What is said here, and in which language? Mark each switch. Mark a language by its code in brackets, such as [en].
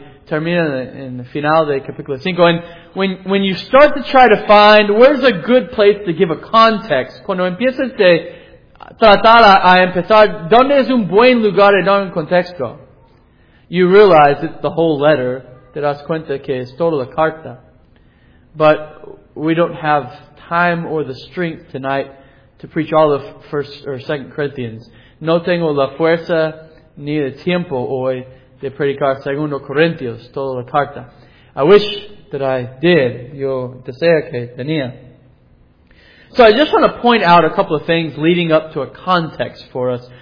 [es] Termina [en] in the final de capítulo 5. And when you start to try to find where's a good place to give a context, [es] cuando empiezas de tratar a empezar, ¿dónde es un buen lugar de dar un contexto? [en] You realize it's the whole letter. [es] Te das cuenta que es toda la carta. [en] But we don't have time or the strength tonight to preach all of 1st or 2nd Corinthians. [es] No tengo la fuerza ni el tiempo hoy de predicar 2 Corintios, toda la carta. [en] I wish that I did. [es] Yo deseo que tenía. [en] So I just want to point out a couple of things leading up to a context for us.